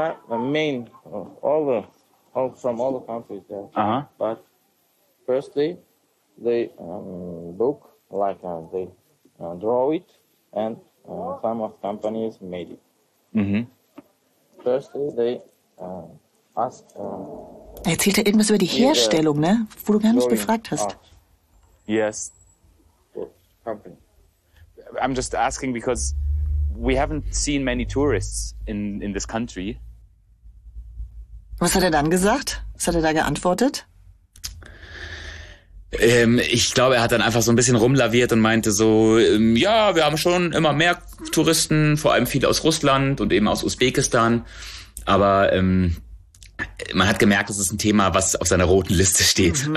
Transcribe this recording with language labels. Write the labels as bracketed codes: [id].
[en] Main, all from all the countries there. Uh-huh. But firstly, they book, like they draw it, and some of companies made it. Mm-hmm. Firstly, they ask. [de] Erzählt er irgendwas über die Herstellung, ne? Wo du gar nicht gefragt hast. [en] Yes. Company. I'm just asking because we haven't seen many tourists in this country. [de] Was hat er dann gesagt? Was hat er da geantwortet? Ich glaube, er hat dann einfach so ein bisschen rumlaviert und meinte so, ja, wir haben schon immer mehr Touristen, vor allem viele aus Russland und eben aus Usbekistan. Aber man hat gemerkt, das ist ein Thema, was auf seiner roten Liste steht. Mhm.